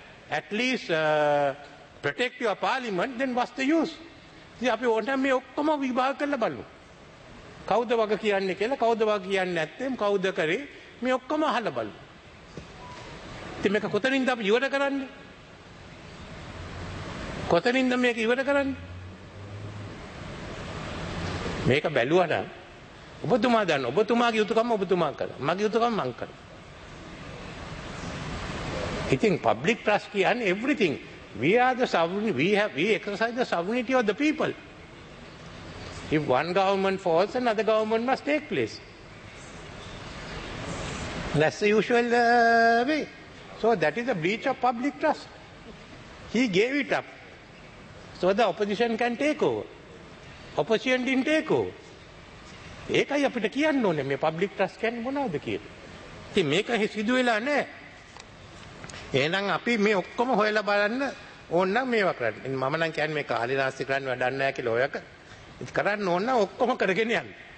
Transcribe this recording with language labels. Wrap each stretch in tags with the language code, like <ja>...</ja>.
<en>If you can't at least protect your parliament, then what's the use?</en> <si>See, අපි ඕනෑම මේ ඔක්කොම විභාග කරලා බලමු. කවුද වග කියන්නේ කියලා, කවුද වග කියන්නේ නැත්නම් කවුද කරේ, මේ ඔක්කොම අහලා බලමු. ඉතින් මේක කොතනින්ද අපි ඉවර කරන්නේ? කොතනින්ද මේක ඉවර කරන්නේ? මේක බැලුවා නම් ඔබතුමා දන්න, ඔබතුමාගේ යුතුකම ඔබතුමා කළා, මගේ යුතුකම මං කළා. ඉතින් පබ්ලික් ට්‍රස්ට් කියන්නේ everything.</si> <en>We are the sovereign, we exercise the sovereignty of the people. If one government falls, another government must take place. That's the usual way. So that is a breach of public trust. He gave it up so the opposition can take over. Opposition didn't take over.</en> <si>ඒකයි අපිට කියන්න ඕනේ මේ public trust කියන්නේ මොනවද කියලා. ඉතින් මේක සිදු වෙලා නැහැ. එහෙනම් අපි මේ ඔක්කොම හොයලා බලන්න ඕන නම් මේවා කරන්න. මම නම් කියන්නේ මේ කාලිලාස්ති කරන්න වැඩක් නැහැ කියලා ඔයක. ඉත කරන්න ඕන නම් ඔක්කොම කරගෙන යන්න.</si>